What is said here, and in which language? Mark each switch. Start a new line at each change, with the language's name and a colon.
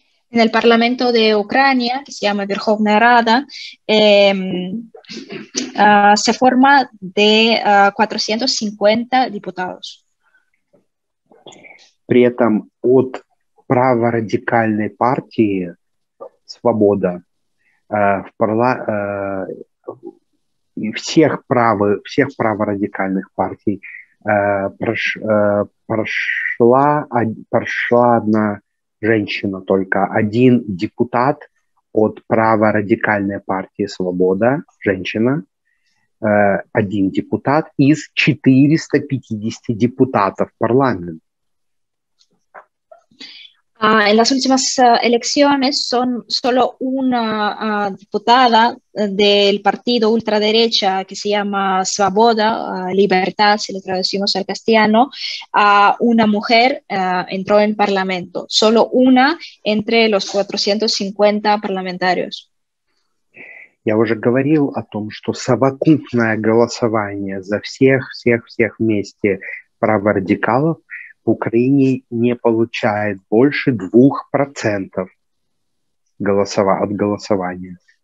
Spanish: En el Parlamento de Ucrania, que se llama Verkhovna Rada, se forma de 450 diputados.
Russian: При этом от праворадикальной партии «Свобода» всех праворадикальных партий прошла одна женщина только, один депутат от праворадикальной партии «Свобода», женщина, один депутат из 450 депутатов парламента.
Spanish: En las últimas elecciones son solo una diputada del partido ultraderecha que se llama Svoboda, Libertad, si lo traducimos al castellano, una mujer entró en parlamento. Solo una entre los 450 parlamentarios.
Russian: Я уже говорил о том, что совокупное голосование за всех вместе праворадикалов в Украине не получает больше 2% от голосования.